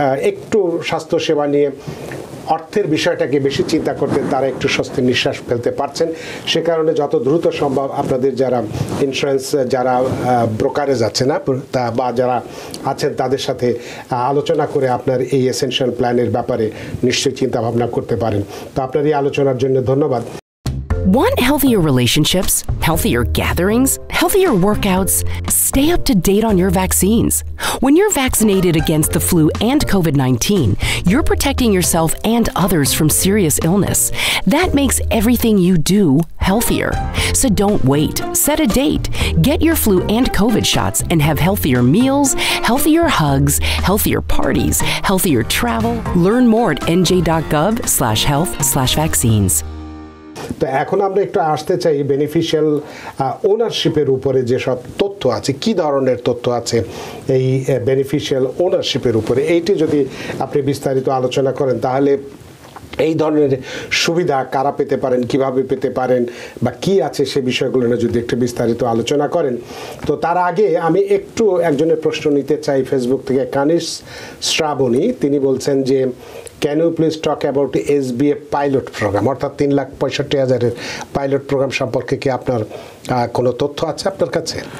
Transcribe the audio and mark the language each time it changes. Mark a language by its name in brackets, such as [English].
[Bangla] একটু স্বাস্থ্যসেবা নিয়ে অর্থের বিষয়টাকে বেশি চিন্তা করতেন তারা একটু স্বস্তির নিঃশ্বাস ফেলতে পারছেন সে কারণে যত দ্রুত সম্ভব আপনাদের যারা ইন্স্যুরেন্স যারা ব্রোকারেজ আছে না তা বা যারা আছেন তাদের সাথে আলোচনা করে আপনার এই এসেনশিয়াল প্ল্যানের ব্যাপারে নিশ্চয়ই চিন্তাভাবনা করতে পারেন তো আপনার এই আলোচনার জন্য ধন্যবাদ [English] Want healthier relationships, healthier gatherings, healthier workouts? Stay up to date on your vaccines. When you're vaccinated against the flu and COVID-19, you're protecting yourself and others from serious illness. That makes everything you do healthier. So don't wait. Set a date. Get your flu and COVID shots and have healthier meals, healthier hugs, healthier parties, healthier travel. Learn more at nj.gov/health/vaccines. [Bangla] তো এখন আমরা একটু আসতে চাই beneficial ওনারশিপের উপরে যেসব তথ্য আছে কি ধরনের তথ্য আছে এই বেনিফিশিয়াল ওনারশিপের উপরে এইটি যদি আপনি বিস্তারিত আলোচনা করেন তাহলে এই ধরনের সুবিধা কারা পেতে পারেন কিভাবে পেতে পারেন বা কি আছে সে বিষয়গুলো নিয়ে যদি একটু বিস্তারিত আলোচনা করেন তো তার আগে আমি একটু একজনের প্রশ্ন নিতে চাই ফেসবুক থেকে কানিশ শ্রাবণী তিনি বলছেন যে [English] can you please talk about SBA pilot programme [Bangla] অর্থাৎ 3,65,000 পাইলট প্রোগ্রাম সম্পর্কে কি আপনার কোনো তথ্য আছে আপনার কাছে